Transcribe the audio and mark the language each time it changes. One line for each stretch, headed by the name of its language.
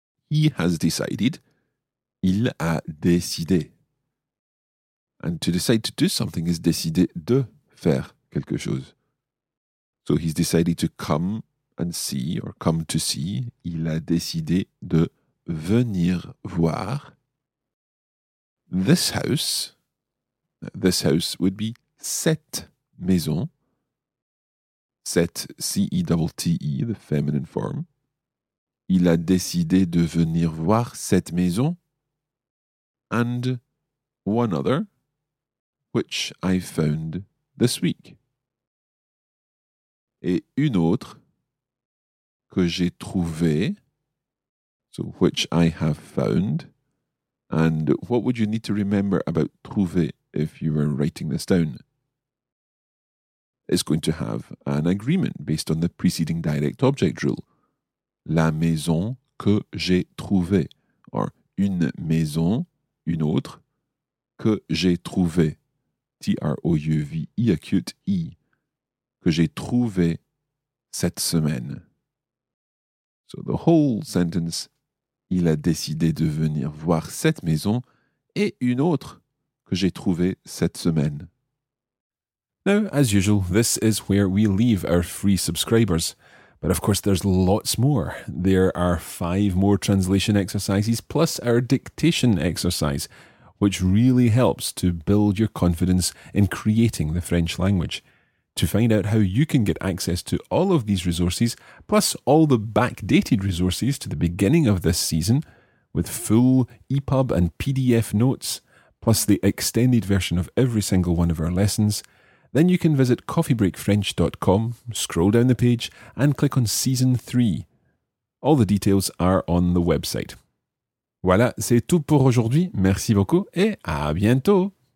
English: He has decided.
French: Il a décidé.
English: And to decide to do something is
French: décider de faire quelque chose.
English: So he's decided to come and see or come to see.
French: Il a décidé de venir voir.
English: This house would be
French: cette maison. Cette, C-E-T-T-E,
English: the feminine form.
French: Il a décidé de venir voir cette maison.
English: And one other, which I found this week.
French: Et une autre que j'ai trouvé.
English: So, which I have found. And what would you need to remember about trouver if you were writing this down? Is going to have an agreement based on the preceding direct object rule.
French: La maison que j'ai trouvée. Or, une maison, une autre, que j'ai trouvée. T-R-O-U-V-E, acute E. Que j'ai trouvée cette semaine.
English: So, the whole sentence,
French: il a décidé de venir voir cette maison et une autre que j'ai trouvée cette semaine.
English: Now, as usual, this is where we leave our free subscribers. But of course, there's lots more. There are 5 more translation exercises plus our dictation exercise, which really helps to build your confidence in creating the French language. To find out how you can get access to all of these resources, plus all the backdated resources to the beginning of this season, with full EPUB and PDF notes, plus the extended version of every single one of our lessons, then you can visit coffeebreakfrench.com, scroll down the page, and click on Season 3. All the details are on the website.
French: Voilà, c'est tout pour aujourd'hui. Merci beaucoup et à bientôt!